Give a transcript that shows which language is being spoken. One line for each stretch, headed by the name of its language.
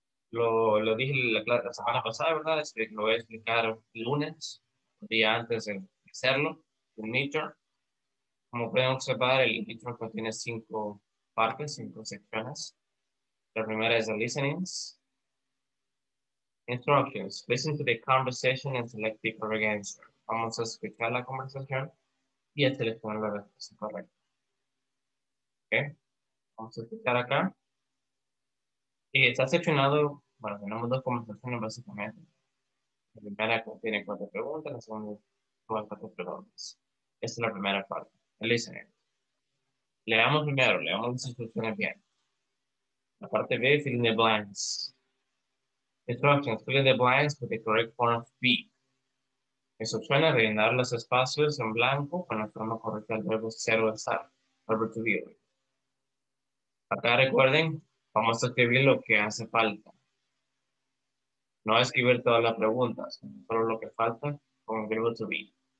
Spanish: Lo dije la semana pasada, ¿verdad? Lo voy a explicar el lunes, el día antes de hacerlo, el midterm. Como pueden observar, el intro contiene 5 partes, 5 secciones. La primera es
English: the listenings.
Spanish: Instructions.
English: Listen to the conversation and select the correct answer.
Spanish: Vamos a escuchar la conversación y a seleccionar la respuesta correcta. Okay. Vamos a escuchar acá. Y está seccionado, bueno, tenemos 2 conversaciones básicamente. La primera contiene 4 preguntas, la segunda 4 preguntas. Esta es la primera parte. Listening. Leamos primero, leamos las instrucciones bien. La parte B,
English: fill in the blanks. Instructions, fill in the blanks with the correct form of be.
Spanish: Instrucciones, rellenar los espacios en blanco con la forma correcta del verbo ser o estar. Verbo to be. Acá recuerden, vamos a escribir lo que hace falta. No escribir todas las preguntas, solo lo que falta con el verbo to be.